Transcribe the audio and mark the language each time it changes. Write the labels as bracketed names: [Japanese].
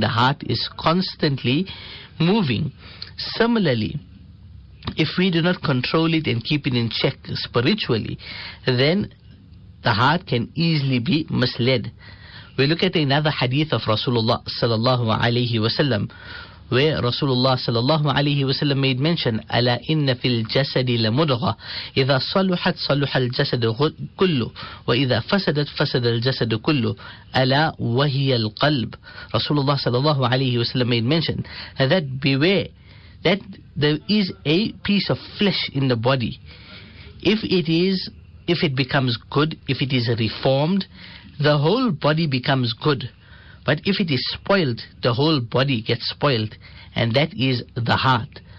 [English] The heart is constantly moving. Similarly, if we do not control it and keep it in check spiritually, then the heart can easily be misled. We look at another hadith of Rasulullah sallallahu alayhi wa sallam, where Rasulullah sallallahu alayhi wa sallam made mention, [Arabic] أَلَا إِنَّ فِي الْجَسَدِ لَمُدْغَةٍ إِذَا صَلُحَتْ صَلُحَ الْجَسَدُ كُلُّ وَإِذَا فَسَدَتْ فَسَدَ الْجَسَدُ كُلُّ أَلَا وَهِيَ الْقَلْبُ. [English] Rasulullah sallallahu alayhi wa sallam made mention that beware that there is a piece of flesh in the body. If it becomes good, if it is reformed, the whole body becomes good. But if it is spoiled, the whole body gets spoiled, and that is the heart.